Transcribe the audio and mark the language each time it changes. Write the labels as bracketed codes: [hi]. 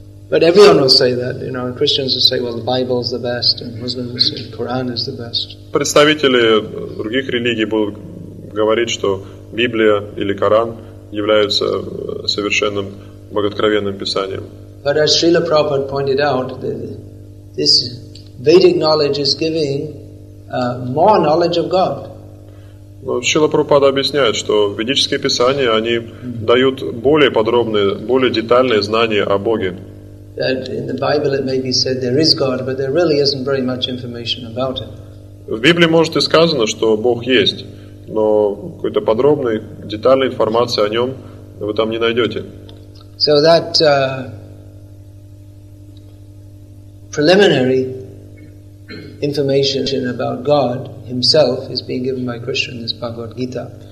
[en] But everyone will say that, you know, Christians will say, well, the Bible is the best, and Muslims will say, the Quran is the best. [ru] Представители других религий будут говорить, что Библия или Коран являются совершенным богооткровенным писанием. [en] But as Srila Prabhupada pointed out, this Vedic knowledge is giving more knowledge of God. [ru] Шрила Прабхупада объясняет, что ведические писания, они дают более подробные, более детальные знания о Боге. [en] That in the Bible it may be said there is God, but there really isn't very much information about it. [ru] В Библии может и сказано, что Бог есть, но какой-то подробной, детальной информации о нем вы там не найдете. [en] So that preliminary information about God himself is being given by Krishna in this Bhagavad Gita.